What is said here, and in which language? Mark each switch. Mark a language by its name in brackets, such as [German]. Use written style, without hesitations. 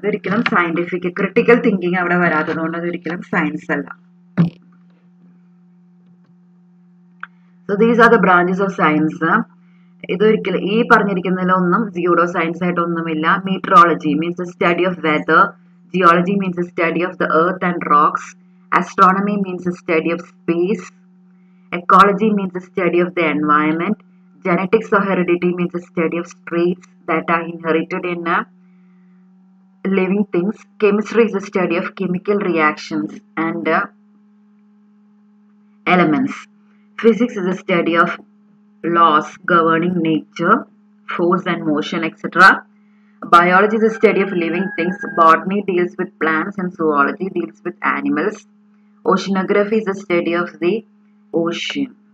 [Malayalam] അതൊരിക്കലും scientific, critical thinking അവിടെ വരാത്തത് കൊണ്ട് അതൊരിക്കലും സയൻസ് അല്ല. [English] So these are the branches of science. [Malayalam] ഇതൊരിക്കലും ഈ പറഞ്ഞിരിക്കുന്നതിലൊന്നും zero science ആയിട്ടൊന്നുമില്ല. [English] Meteorology means the study of weather, geology means the study of the earth and rocks, astronomy means the study of space, ecology means the study of the environment, genetics of heredity means the study of traits that are inherited in living things. Chemistry is the study of chemical reactions and elements. Physics is a study of laws governing nature, force and motion, etc. Biology is a study of living things. Botany deals with plants and zoology deals with animals. Oceanography is a study of the ocean.